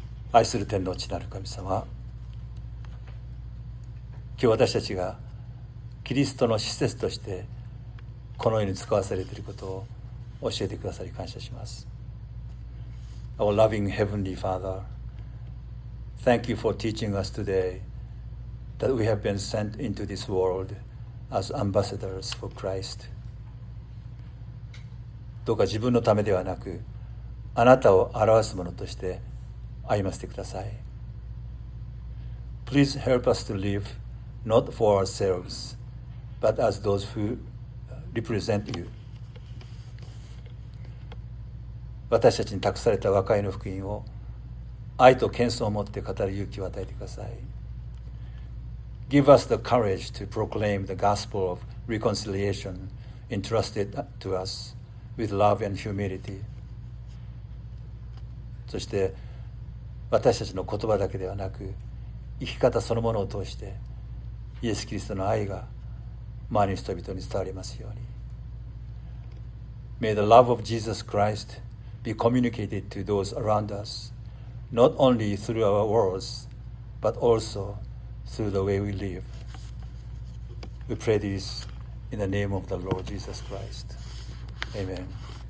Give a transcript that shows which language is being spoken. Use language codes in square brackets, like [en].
[ja] 愛する天の地なる神様、今日私たちがキリストの施設としてこの世に使わされていることを教えてくださり感謝します。 [en] Our loving heavenly Father, Thank you for teaching us todayThat we have been sent into this world as ambassadors for Christ. [ja] どうか自分のためではなく、あなたを表すものとして歩ませてください。 [en] Please help us to live not for ourselves, but as those who represent you. [ja] 私たちに託された和解の福音を愛と謙遜を持って語る勇気を与えてください。 [en] Give us the courage to proclaim the gospel of reconciliation entrusted to us with love and humility. [ja] そして私たちの言葉だけではなく、生き方そのものを通してイエス・キリストの愛が周りの人々に伝わりますように。 [en] May the love of Jesus Christ be communicated to those around us, not only through our words, but also through the way we live. We pray this in the name of the Lord Jesus Christ. Amen.